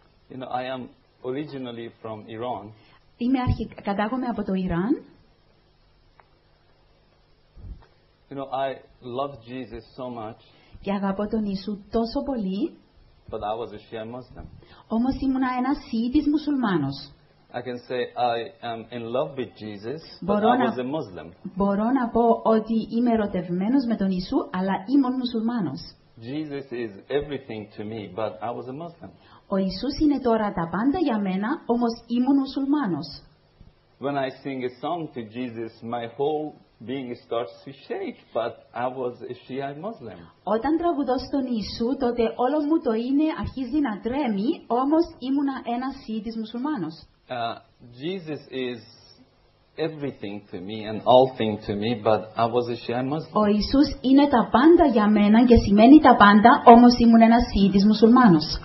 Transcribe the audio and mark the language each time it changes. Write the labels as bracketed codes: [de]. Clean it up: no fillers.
[en] You know, I am originally from Iran. [el] Κατάγομαι από το Ιράν. [en] You know, I love Jesus so much. [el] Και αγαπώ τον Ιησού τόσο πολύ. [en] But I was a Shia Muslim. [el] Όμως ήμουν ένας Σιίτης μουσουλμάνος. [en] I can say I am in love with Jesus, but I was a Muslim. [el] Μπορώ να πω ότι είμαι ερωτευμένος με τον Ιησού, αλλά ήμουν μουσουλμάνος. [en] Jesus is everything to me, but I was a Muslim. [el] Ο Ιησούς είναι τώρα τα πάντα για μένα, όμως ήμουν μουσουλμάνος. [en] When I sing a song to Jesus, my whole being starts to shake, but I was a Shia Muslim. [el] Όταν τραγουδώ στον Ιησού, τότε όλο μου το είναι αρχίζει να τρέμει, όμως ήμουν ένας Σιίτης μουσουλμάνος. [en] Jesus is everything to me and all things to me, but I was a Shia Muslim. [el] Ο Ιησούς είναι τα πάντα για μένα και σημαίνει τα πάντα, όμως ήμουν ένας Σιίτης μουσουλμάνος.